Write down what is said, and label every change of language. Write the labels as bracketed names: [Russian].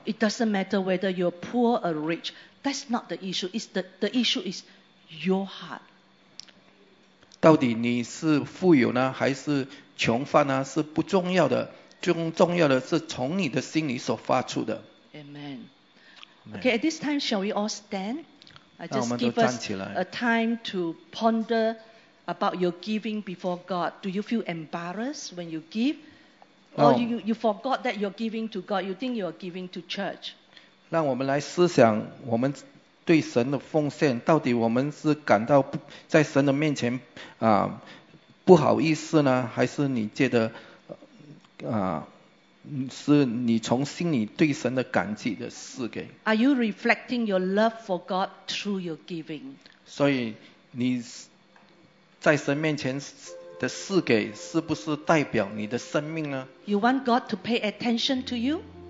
[English] It doesn't matter whether you're poor or rich. That's not the issue. It's the issue is your heart. [Chinese] 到底你是富有呢，还是穷乏呢？是不重要的。重要的是从你的心里所发出的。 [English] Amen. Okay, at this time, shall we all stand? I just give us a time to ponder about your giving before God. Do you feel embarrassed when you give? Or you forgot that you're giving to God. You think you're giving to church. [Chinese] 让我们来思想我们对神的奉献，到底我们是感到在神的面前不好意思呢，还是你觉得是你从心里对神的感激的赐给？ [English] Are you reflecting your love for God through your giving? [Chinese] 所以你在神面前。的赐给是不是代表你的生命呢？ [English] You want God to pay attention to you?